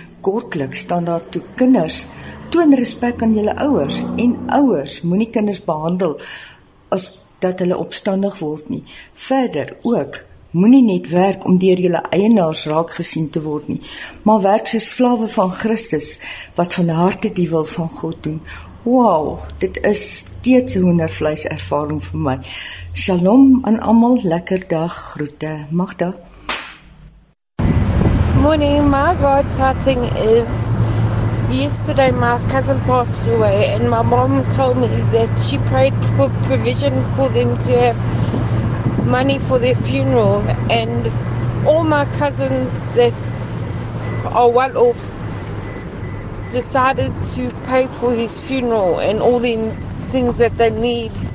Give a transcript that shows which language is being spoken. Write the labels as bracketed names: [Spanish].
[Afrikaans] Kortlik staan daar toe, kinders, toon respek aan julle ouers, en ouers, moenie kinders behandel as dat hulle opstandig word nie. Verder ook, moenie net werk om deur julle eienaars raak gesien te word nie, maar werk soos slawe van Christus, wat van harte die wil van God doen. Wow, dit is steeds 'n hoendervleis ervaring vir my. Shalom aan almal, lekker dag, groete, Magda. [English] Morning, my God's hearting is, yesterday my cousin passed away, and my mom told me that she prayed for provision for them to have money for their funeral, and all my cousins that are well off decided to pay for his funeral and all the things that they need.